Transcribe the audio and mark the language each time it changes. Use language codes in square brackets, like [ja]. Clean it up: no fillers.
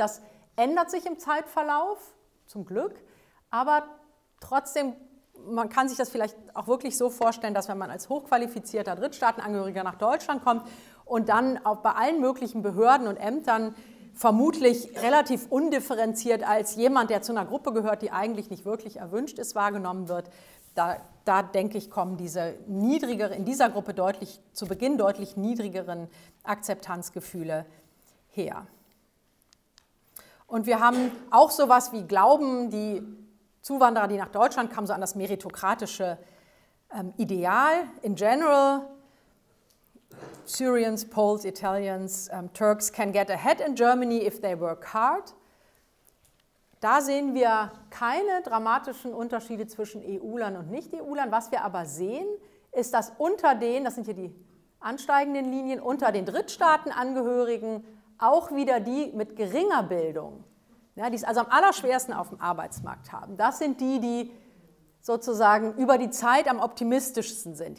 [de] Das ändert sich im Zeitverlauf, zum Glück. Aber trotzdem, man kann sich das vielleicht auch wirklich so vorstellen, dass wenn man als hochqualifizierter Drittstaatenangehöriger nach Deutschland kommt und dann auch bei allen möglichen Behörden und Ämtern vermutlich relativ undifferenziert als jemand, der zu einer Gruppe gehört, die eigentlich nicht wirklich erwünscht ist, wahrgenommen wird, da denke ich, kommen diese niedrigeren, in dieser Gruppe deutlich, zu Beginn deutlich niedrigeren Akzeptanzgefühle her. Und wir haben auch sowas wie Glauben, die Zuwanderer, die nach Deutschland kamen, so an das meritokratische Ideal [en] in general. Syrians, Poles, Italians, Turks can get ahead in Germany if they work hard. [de] Da sehen wir keine dramatischen Unterschiede zwischen EU-Lern und Nicht-EU-Lern. Was wir aber sehen, ist, dass unter den, das sind hier die ansteigenden Linien, unter den Drittstaatenangehörigen auch wieder die mit geringer Bildung, ja, die es also am allerschwersten auf dem Arbeitsmarkt haben, das sind die, die sozusagen über die Zeit am optimistischsten sind.